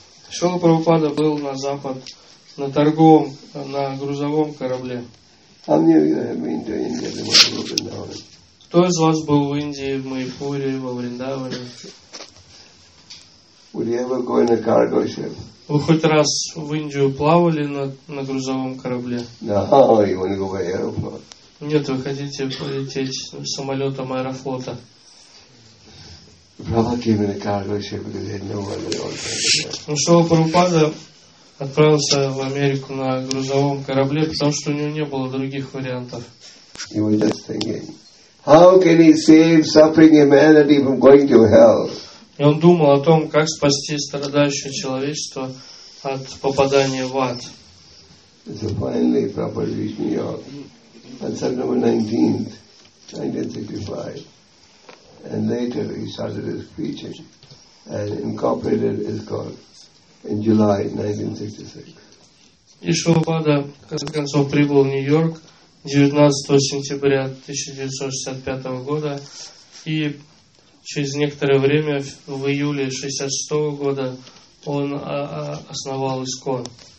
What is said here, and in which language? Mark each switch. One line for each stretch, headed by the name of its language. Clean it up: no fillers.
Russian: Шрила Прабхупада был на запад, на грузовом корабле. Кто из вас был в Индии, в Майпуре, во Вриндаване?
English: Would you ever go in a cargo ship?
Russian: Вы хоть раз в Индию плавали на грузовом корабле?
English: No, you want to go by aeroplane.
Russian: Нет, вы хотите полететь самолетом Аэрофлота. Ну что, Прабхупада отправился в Америку на грузовом корабле, потому что у него не было других вариантов.
English: He was just thinking, how can he save suffering humanity from going to hell?
Russian: И он думал о том, как спасти страдающее человечество от попадания в ад.
English: So finally, Prabhupada reached New York on September 19th, 1965. And later he started his preaching and incorporated his call in July 1966.
Russian: И Шрилапада, в конце концов, прибыл в Нью-Йорк 19 сентября 1965 года и через некоторое время, в июле 66 года, он основал ИСКОН.